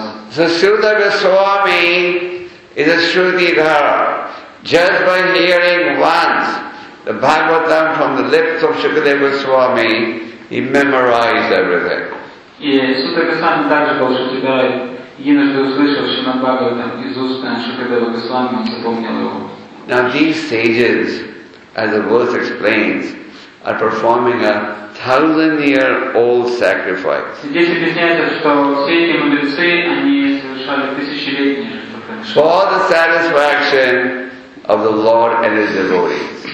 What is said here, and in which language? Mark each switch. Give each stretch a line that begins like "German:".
English: So, Sudha Goswami is a Shruti Dhara. Just by hearing once the Bhagavatam from the lips of Shukadeva Goswami, he memorized everything.
Russian: Yes, Sudha Goswami также был Shruti Dhara. Единожды услышал Шримад Бхагаватам из уст Шукадева Госвами, он запомнил его.
English: Now these sages, as the verse explains, are performing a 1,000-year-old sacrifice.
Russian: Здесь объясняется, что все эти мудрецы, они совершали тысячелетние
English: for the satisfaction of the Lord and His devotees.